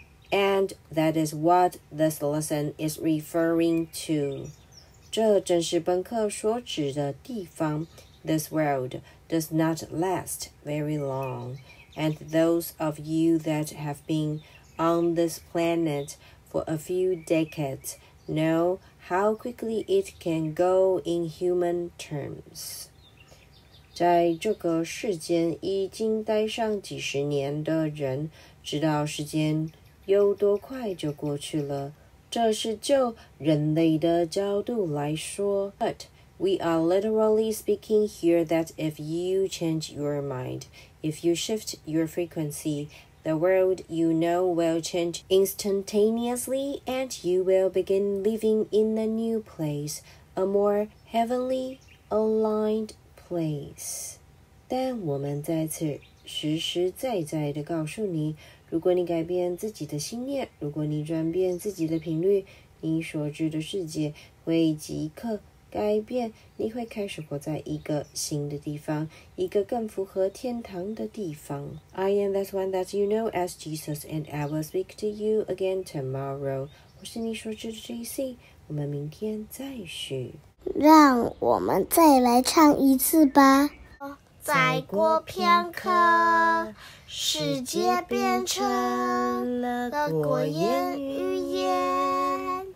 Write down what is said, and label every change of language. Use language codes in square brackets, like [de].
[en] And that is what this lesson is referring to. [zh] 这正是本课所指的地方。 [en] This world does not last very long, and those of you that have been on this planet for a few decades know how quickly it can go in human terms. [zh] 在这个世间已经待上几十年的人，知道时间有多快就过去了。这是就人类的角度来说。 [en] But we are literally speaking here that if you change your mind, if you shift your frequency, the world you know will change instantaneously and you will begin living in a new place, a more heavenly aligned place. Place. [zh] 但我们在此实实在在地告诉你，如果你改变自己的心念，如果你转变自己的频率，你所知的世界会即刻改变，你会开始活在一个新的地方，一个更符合天堂的地方。 [en] I am that one that you know as Jesus, and I will speak to you again tomorrow. [zh] 我是你所知的 JC, 我们明天再续。让我们再来唱一次吧。再过片刻，世界变成了过眼云烟。